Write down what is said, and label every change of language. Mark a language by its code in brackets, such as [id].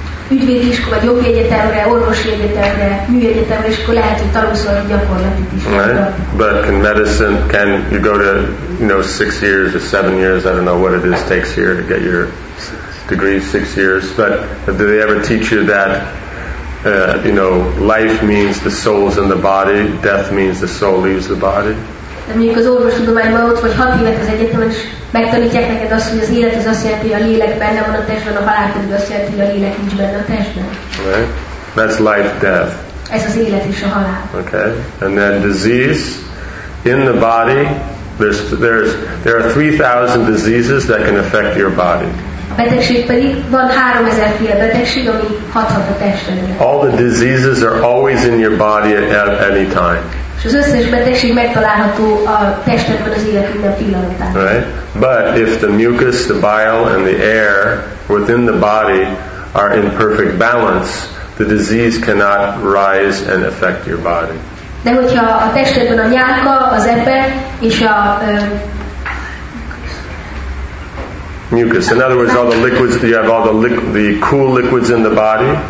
[hu] ügyvédiskola, vagy jogi egyetemre, orvosi egyetemre, műegyetemre, és akkor lehet, hogy tanulsz valami gyakorlati iskola. Right. [en] But can medicine, can you go to, you know, 6 years or 7 years, I don't know what it is takes here to get your degree, 6 years, but do they ever teach you that you know, life means the soul's in the body, death means the soul leaves the body? [hu] Mondjuk az orvostudományban ott vagy 6 évet az egyetemen, és megtanítják neked azt, hogy az élet az azt jelenti, hogy a lélek benne van a testben, a halál pedig azt jelenti, hogy a lélek nincs benne a testben. [en] Right. That's life, death. [hu] Ez az élet és a halál. [en] Okay. And then disease in the body, there are 3,000 diseases that can affect your body. [hu] Betegség pedig van 3000 féle betegség, ami hathat a testedre. [en] All the diseases are always in your body at any time. [hu] És az összes betegség megtalálható a testedben az élet minden pillanatában. [en] Right? But if the mucus, the bile and the air within the body are in perfect balance, the disease cannot rise and affect your body. [hu] De hogyha a testedben a nyálka, az ebbe és a [en] mucus. In other words, all the liquids, you have all the cool liquids in the body.